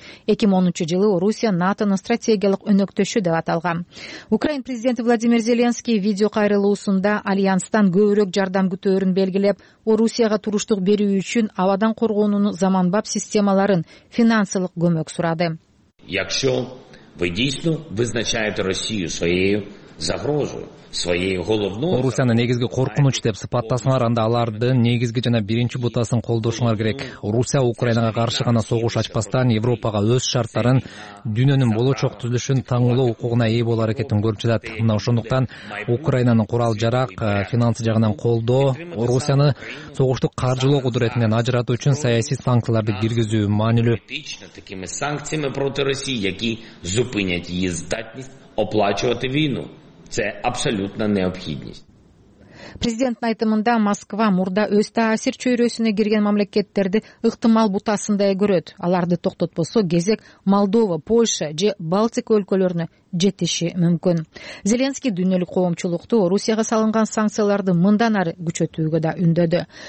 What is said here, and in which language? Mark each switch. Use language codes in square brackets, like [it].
[ky] 2010 жылы Орусия НАТОнун стратегиялык өнөктөшү деп аталган. Украин президенти Владимир Зеленский видео кайрылуусунда альянстан көбүрөөк жардам күтөөрүн белгилеп, Орусияга туруштук берүү үчүн абадан коргоонунун заманбап системаларын финансылык көмөк сурады. [uk] Якщо ви дійсно визначаєте Росію своєю загрозою, своєю головною, [ky] Орусияны негизги коркунуч деп сыпаттасаңар, анда алардын негизги жана биринчи бутасын колдошуңар керек. Орусия Украинага каршы гана согуш ачпастан Европага өз шарттарын, дүйнөнүн болочок түзүлүшүн таңылоо укугуна ээ болуу аракетин көрүп жатат. Мына ошондуктан Украинанын курал жарак, финансы жагынан колдоо Орусияны согуштук каржылоо кудуретинен ажыратуу үчүн саясий санкцияларды киргизүү маанилүү. [uk] Такими санкциями проти Росії, які зупинять її здатність оплачувати війну. Це абсолютно необхідність. [ky] Президенттин айтымында Москва мурда өз таасир чөйрөсүнө кирген мамлекеттерди ыктымал бутасындай көрөт. Аларды токтотпосо кезек Молдова, Польша же Балтик өлкөлөрүнө жетиши мүмкүн. Зеленский дүйнөлүк коомчулукту Орусияга салынган санкцияларды мындан ары күчөтүүгө да үндөдү.